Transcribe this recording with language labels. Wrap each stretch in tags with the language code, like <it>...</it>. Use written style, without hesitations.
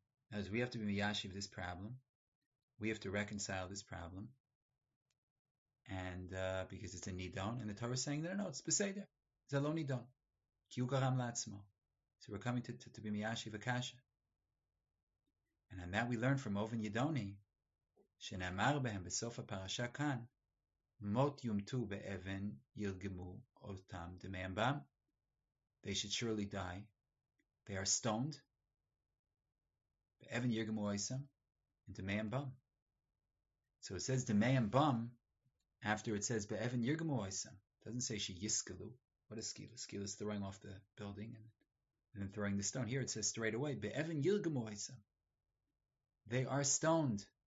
<en>In other words, we have to be miyashef this problem. We have to reconcile this problem. And because it's a nidon, and the Torah is saying, no, it's beseder. It's a lo nidon.</en> <he>Ki ugaram la'atzmo.</he> <en>So we're coming to be miyashi v'kasha. And on that we learn from Ovin Yidoni</en> <he>שנאמר בהם בסוף הפרשה כאן, מות יומתו באבן ילגמו אותם דמיהם בם.</he> <en>They should surely die. They are stoned.</en> <he>באבן ילגמו אותם דמיהם בם.</he> <en>So it says</en> <he>דמיהם בם</he> <en>after it says</en> <he>באבן ילגמו אותם.</he> <en>It doesn't say שיסקלו. What is skila? Skila is throwing off the building and then throwing the stone. Here it says straight away,</en> <he>be'evan yilgamu oisam.</he> <en>They are stoned.</en>